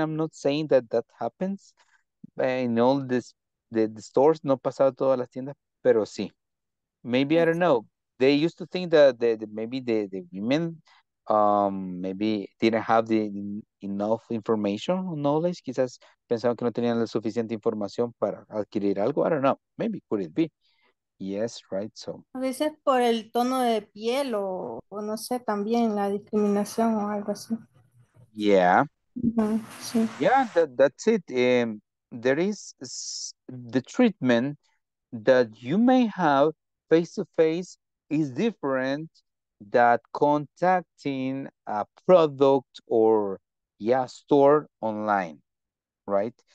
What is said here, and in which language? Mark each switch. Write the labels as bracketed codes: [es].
[en] I'm not saying that happens in all the stores. [es] No pasaba todas las tiendas, pero sí. [en] Maybe I don't know. They used to think that the women maybe didn't have the enough information or knowledge. [es] Quizás pensaban que no tenían la suficiente información para adquirir algo. [en] I don't know. Maybe could it be? Yes, right. So. [es] A veces por el tono de piel o no sé, también la discriminación o algo así. [en] Yeah. Mm-hmm. Sí. Yeah, that's it. There is the treatment that you may have face to face is different that contacting a product or store online, right?